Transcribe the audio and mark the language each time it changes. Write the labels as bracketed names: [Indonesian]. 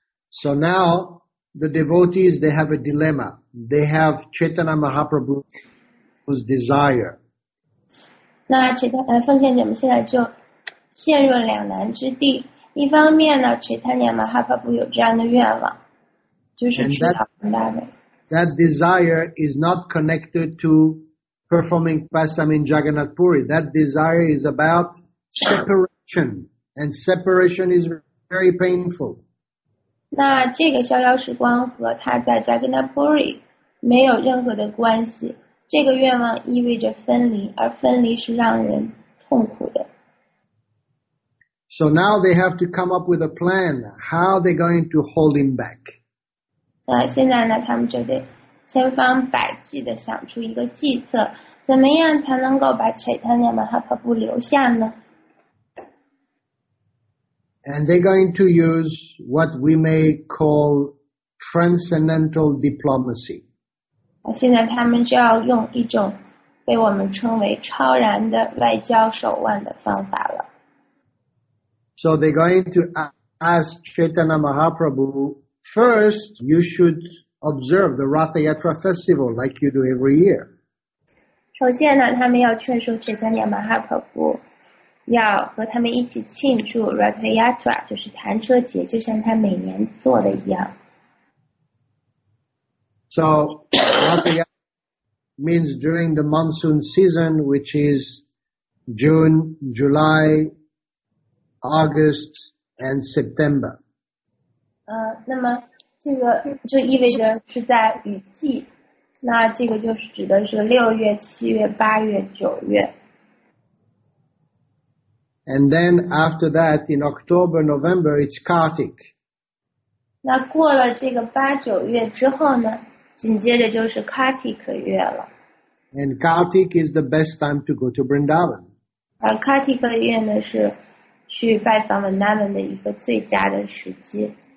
[English] So now, the devotees, they have a dilemma. They have Chaitanya Mahaprabhu's desire. [Chinese] 那奉献者们现在就陷入两难之地。一方面呢， Chaitanya Mahaprabhu 有这样的愿望。 [English] That desire is not connected to performing pastime in Jagannath Puri. That desire is about separation, and separation is very painful. [Chinese] 那这个逍遥时光和他在 Jagannath Puri 没有任何的关系。这个愿望意味着分离，而分离是让人痛苦的。 [English] So now they have to come up with a plan. How are they going to hold him back? [Chinese] 现在呢，他们就得千方百计地想出一个计策，怎么样才能够把 Chaitanya Mahaprabhu 留下呢？ [English] And they're going to use what we may call transcendental diplomacy. [Chinese] 现在他们就要用一种被我们称为超然的外交手腕的方法了。 [English] So they're going to ask Chaitanya Mahaprabhu,First, you should observe the Ratha Yatra festival like you do every year. [Chinese] 首先呢，他们要劝说 Chaitanya Mahaprabhu 要和他们一起庆祝 Ratha Yatra, 就是弹车节，就像他每年做的一样。 [English] So, Ratha Yatra means during the monsoon season, which is June, July, August, and September. [Chinese] 那么这个就意味着是在雨季，那这个就是指的是六月、七月、八月、九月。 [English] And then after that, in October, November, it's Kartik. [Chinese] 那过了这个八九月之后呢，紧接着就是 Kartik 月了。 [English] And Kartik is the best time to go to Vrindavan. [Chinese] 而 Kartik 月呢是去拜访 Vrindavan 的一个最佳的时机。